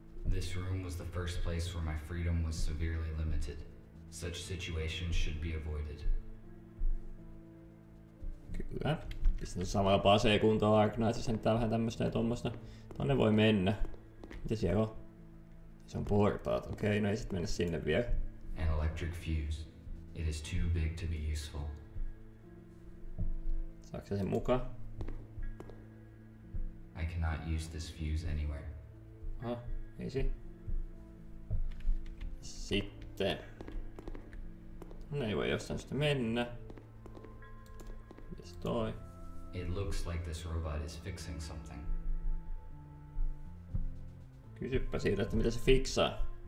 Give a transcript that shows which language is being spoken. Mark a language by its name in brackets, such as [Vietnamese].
[English] This room was the first place where my freedom was severely limited. Such situations should be avoided. [Finnish] Kyllä. Sitten on sama jopa asekuntoa Arknightsissa, niin tää on vähän tämmöstä ja tommosta. Tonne voi mennä. Mitä siellä on? Se on portaat. Okei, no ei sit mennä sinne vielä. [English] An electric fuse. It is too big to be useful. [Finnish] Saatko sen mukaan? [English] I cannot use this fuse anywhere. Aha, easy. [Finnish] Sitten. Tonne ei voi jostain sitä mennä. Mites toi? [English] It looks like this robot is fixing something. [Finnish] Kysyppä siitä, että mitä se fiksaa.